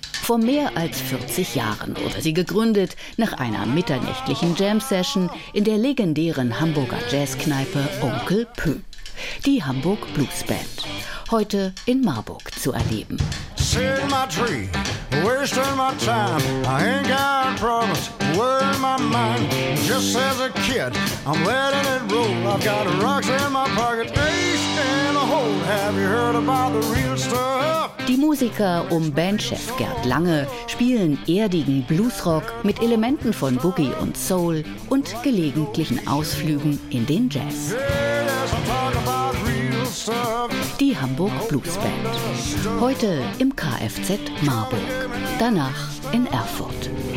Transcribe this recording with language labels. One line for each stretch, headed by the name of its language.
German: Vor mehr als 40 Jahren wurde sie gegründet, nach einer mitternächtlichen Jam-Session in der legendären Hamburger Jazzkneipe Onkel Pö. Die Hamburg Blues Band. Heute in Marburg zu erleben.
English: Sitting my tree, wasting my time. I ain't got problems, worry my mind. Just as a kid, I'm letting it roll. I've got rocks in my pocket, ace in a hole. Have you heard about the real stuff?
German: Die Musiker um Bandchef Gerd Lange spielen erdigen Bluesrock mit Elementen von Boogie und Soul und gelegentlichen Ausflügen in den Jazz. Die Hamburg Blues Band. Heute im KFZ Marburg, danach in Erfurt.